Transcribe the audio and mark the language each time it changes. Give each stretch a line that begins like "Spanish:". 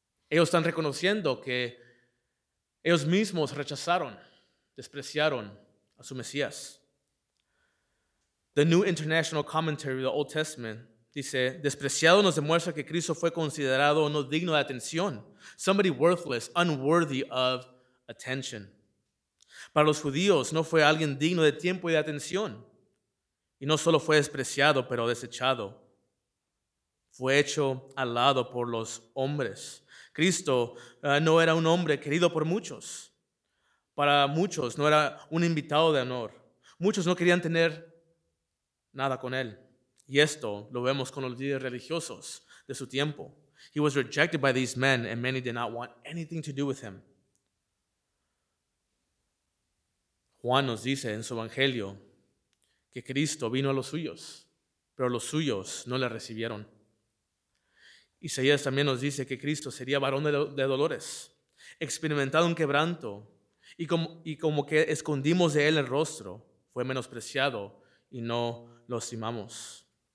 Spanish: Ellos están reconociendo que ellos mismos rechazaron, despreciaron a su Mesías. The New International Commentary of the Old Testament dice: despreciado nos demuestra que Cristo fue considerado no digno de atención.
English: Somebody worthless, unworthy of attention.
Spanish: Para los judíos no fue alguien digno de tiempo y de atención. Y no solo fue despreciado, pero desechado. Fue hecho al lado por los hombres. Cristo no era un hombre querido por muchos. Para muchos no era un invitado de honor. Muchos no querían tener nada con él. Y esto lo vemos con los líderes religiosos de su tiempo.
English: He was rejected by these men and many did not want anything to do with him.
Spanish: Juan nos dice en su evangelio que Cristo vino a los suyos, pero los suyos no le recibieron. Isaías también nos dice que Cristo sería varón de dolores, experimentado un quebranto, y como que escondimos de él el rostro, fue menospreciado y no lo estimamos.